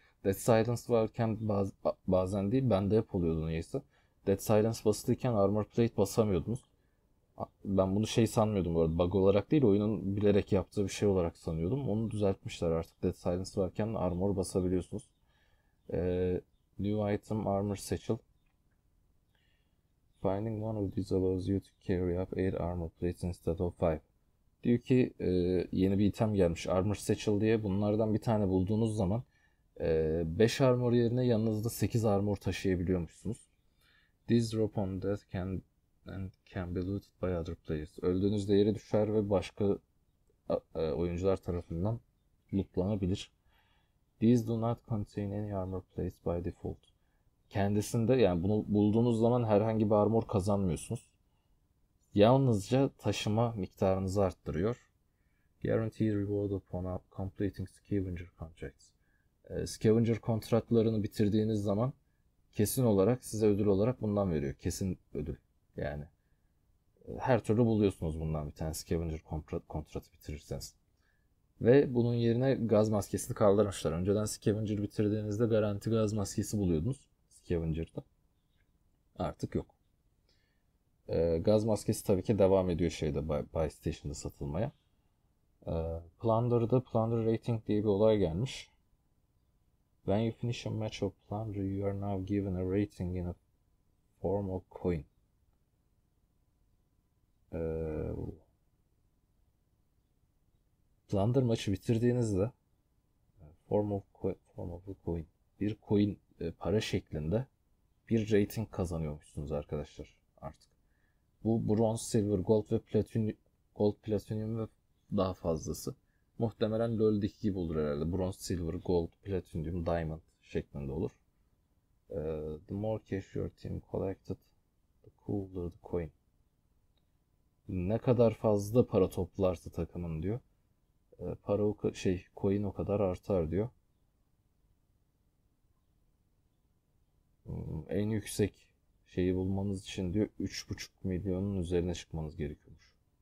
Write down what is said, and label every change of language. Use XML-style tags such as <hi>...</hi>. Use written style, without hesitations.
<tr>Dead Silence varken bazen değil, bende hep oluyordu neyse. Dead Silence basılıyken Armor Plate basamıyordunuz. Ben bunu şey sanmıyordum bu arada. Bug olarak değil, oyunun bilerek yaptığı bir şey olarak sanıyordum. Onu düzeltmişler artık. Dead Silence varken Armor basabiliyorsunuz.</tr> <en>New item armor satchel. Finding one of these allows you to carry up 8 armor plates instead of 5.</en> <tr>Diyor ki yeni bir item gelmiş. Armor satchel diye. Bunlardan bir tane bulduğunuz zaman 5 armor yerine yanınızda 8 armor taşıyabiliyormuşsunuz.</tr> <en>This drop on death can be looted by other players.</en> <tr>Öldüğünüzde yere düşer ve başka oyuncular tarafından lootlanabilir.</tr> <en>These do not contain any armor plates by default.</en> <tr>Kendisinde yani bunu bulduğunuz zaman herhangi bir armor kazanmıyorsunuz. Yalnızca taşıma miktarınızı arttırıyor.</tr> <en>Guaranteed reward upon completing scavenger contracts.</en> <tr>Scavenger kontratlarını bitirdiğiniz zaman kesin olarak size ödül olarak bundan veriyor. Kesin ödül. Yani her türlü buluyorsunuz bundan bir tane scavenger kontratı bitirirseniz. Ve bunun yerine gaz maskesini kaldırmışlar. Önceden scavenger bitirdiğinizde garanti gaz maskesi buluyordunuz scavenger'da. Artık yok. Gaz maskesi tabii ki devam ediyor şeyde Buy Station'da satılmaya. Plunder'da Plunder Rating diye bir olay gelmiş.</tr> <en>When you finish a match of Plunder, you are now given a rating in a form of coin.</en> <tr>Plunder maçı bitirdiğinizde</tr> <en>form of a coin</en> <tr>bir coin para şeklinde bir rating kazanıyormuşsunuz arkadaşlar artık. Bu bronze, silver, gold, platinum ve daha fazlası. Muhtemelen LoL'deki gibi olur herhalde. Bronze, silver, gold, platinum, diamond şeklinde olur.</tr> <en>The more cash your team collected, the cooler the coin.</en> <tr>Ne kadar fazla para toplarsa takımın diyor. Para o şey coin o kadar artar diyor. En yüksek şeyi bulmanız için diyor 3,5 milyonun üzerine çıkmanız gerekiyormuş.</tr>